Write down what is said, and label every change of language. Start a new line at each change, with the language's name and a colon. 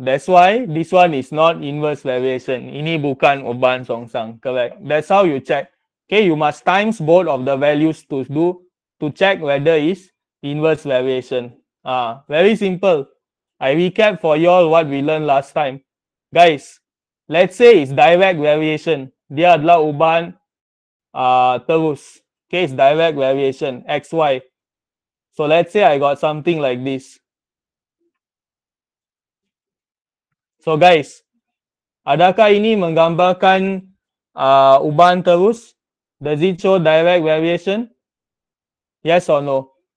English: That's why this one is not inverse variation.
Malay: Ini bukan ubahan songsang.
English: Correct. That's how you check. Okay, you must times both of the values to check whether it's inverse variation. Very simple. I recap for you all what we learned last time. Guys, let's say it's direct variation.
Malay: Dia adalah ubahan terus.
English: Okay, it's direct variation. XY. So let's say I got something like this.
Malay: So guys, adakah ini menggambarkan ubahan terus?
English: Does it show direct variation? Yes or no?